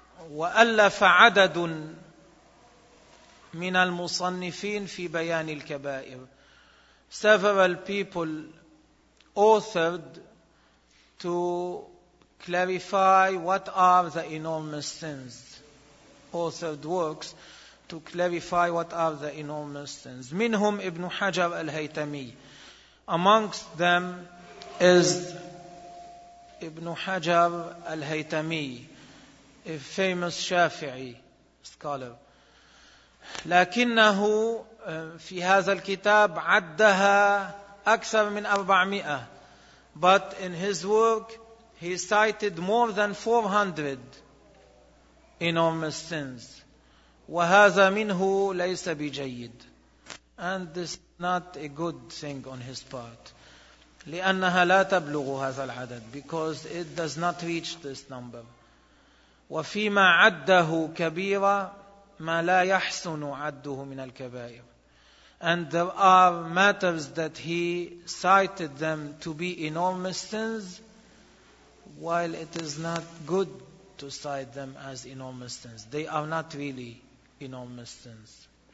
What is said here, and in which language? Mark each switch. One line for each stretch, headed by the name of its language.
Arabic: وألف عدد من المصنفين في بيان الكبائر.
English: Several people authored to clarify what are the enormous sins. Authored works to clarify what are the enormous sins.
Arabic: Minhum
English: Ibn Hajar al-Haytami. Amongst them is Ibn Hajar al-Haytami, a famous Shafi'i scholar.
Arabic: لكنه في هذا الكتاب عدها أكثر من 400.
English: But in his work, he cited more than 400 enormous sins.
Arabic: وهذا منه ليس بجيد.
English: And this is not a good thing on his part.
Arabic: لأنها لا تبلغ هذا العدد.
English: Because it does not reach this number.
Arabic: وفيما عده كبيرة ما لا يحسن عده من الكبائر.
English: And there are matters that he cited them to be enormous sins, while it is not good to cite them as enormous sins. They are not really enormous sins.